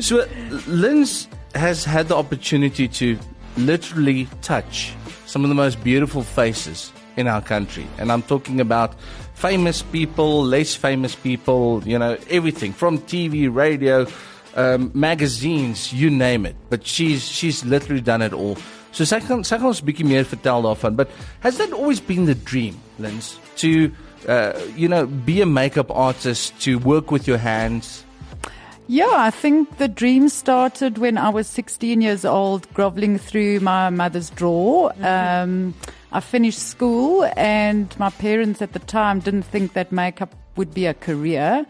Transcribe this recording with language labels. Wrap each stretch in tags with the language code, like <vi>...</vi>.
<en>So Lins has had the opportunity to literally touch some of the most beautiful faces in our country. And I'm talking about famous people, less famous people, you know, everything from TV, radio, magazines, you name it. But she's literally done it all.</en> <af>So sy gaan ons 'n bietjie meer vertel daarvan.</af> <en>But has that always been the dream, Lins, to, you know, be a makeup artist, to work with your hands? Yeah, I think the dream started when I was 16 years old, groveling through my mother's drawer. Mm-hmm. I finished school and my parents at the time didn't think that makeup would be a career.</en>